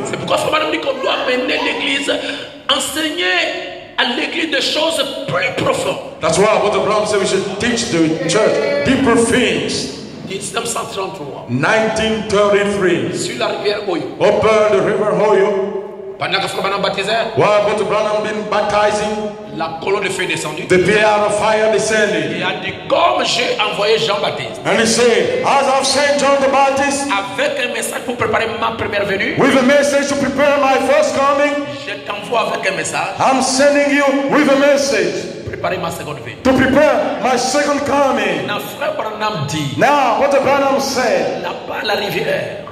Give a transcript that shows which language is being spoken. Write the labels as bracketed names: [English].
[French] C'est pourquoi frère Branham dit qu'on doit amener l'église, enseigner à l'église des choses plus profondes. [English] That's why Brother Branham said we should teach the church deeper things. [French] 1933. Sur la rivière Oyo. [English] Open the river Oyo. [French] Pendant que frère Branham baptisait. [English] While Brother Branham been baptizing. [French] La colonne de feu descendue. [English] The pillar of fire descended. [French] Il a dit comme j'ai envoyé Jean Baptiste. [English] And he said, as I've sent John the Baptist. [French] Avec un message pour préparer ma première venue. [English] With a message to prepare my first coming. [French] Je t'envoie avec un message. [English] I'm sending you with a message. [French] Préparer ma seconde venue. [English] To prepare my second coming. [French] Now, frère Branham dit. [English] Now, what the Branham said. [French] Là-bas, la rivière.